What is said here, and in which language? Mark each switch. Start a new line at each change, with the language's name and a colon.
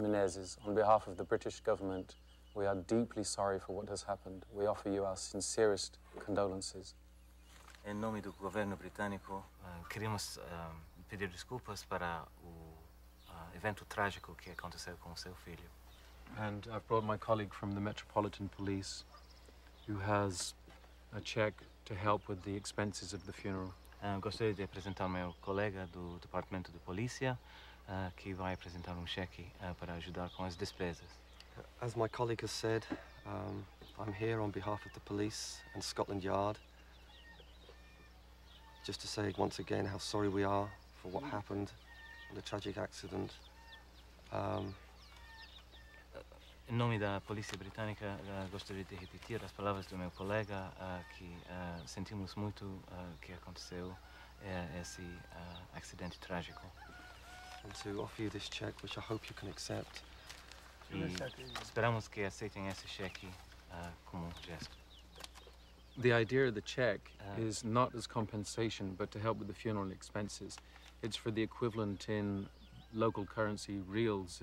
English: Menezes, on behalf of the British government, we are deeply sorry for what has happened. We offer you our sincerest condolences.
Portuguese: Em nome do governo britânico, queremos pedir desculpas para o evento trágico que aconteceu com o seu filho.
English: And I've brought my colleague from the Metropolitan Police, who has a check to help with the expenses of the funeral.
Portuguese: Gostaria de apresentar meu colega do Departamento de Polícia, que vai apresentar cheque para ajudar com as despesas.
English: As my colleague has said, I'm here on behalf of the police and Scotland Yard just to say once again how sorry we are for what happened and the tragic accident.
Portuguese: Em nome da Polícia Britânica, gostaria de repetir as palavras do meu colega, que sentimos muito que aconteceu esse acidente trágico.
English: And to offer you this check, which I hope you can accept.
Portuguese: E esperamos que aceitem esse cheque como gesto.
English: The idea of the check is not as compensation, but to help with the funeral expenses. It's for the equivalent in local currency reals.